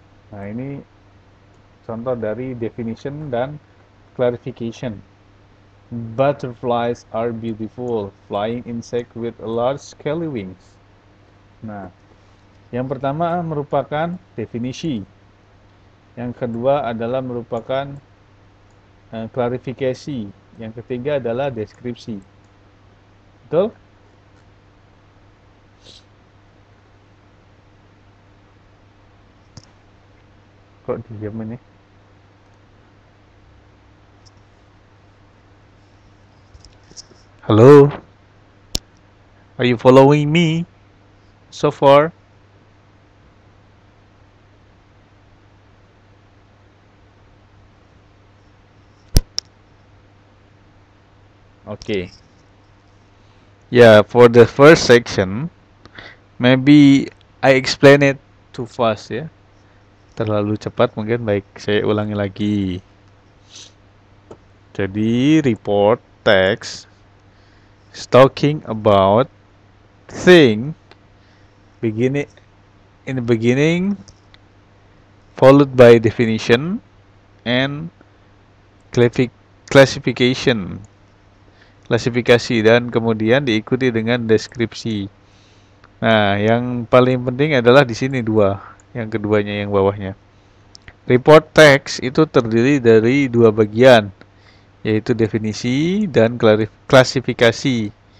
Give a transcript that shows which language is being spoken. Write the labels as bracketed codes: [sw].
[id] Nah, ini contoh dari definition dan clarification. [en] Butterflies are beautiful flying insects with large scaly wings. [id] Nah, yang pertama merupakan definisi. Yang kedua adalah merupakan klarifikasi. Yang ketiga adalah deskripsi. Betul? Kok diam ini? [en] Halo? Are you following me so far? Okay. Yeah, for the first section, maybe I explain it too fast ya. Yeah? [id] Terlalu cepat mungkin, baik saya ulangi lagi. [en] Jadi report text is talking about thing beginning in the beginning followed by definition and classification. [id] Klasifikasi dan kemudian diikuti dengan deskripsi. Nah, yang paling penting adalah di sini dua, yang keduanya yang bawahnya. Report teks itu terdiri dari dua bagian, yaitu definisi dan klasifikasi.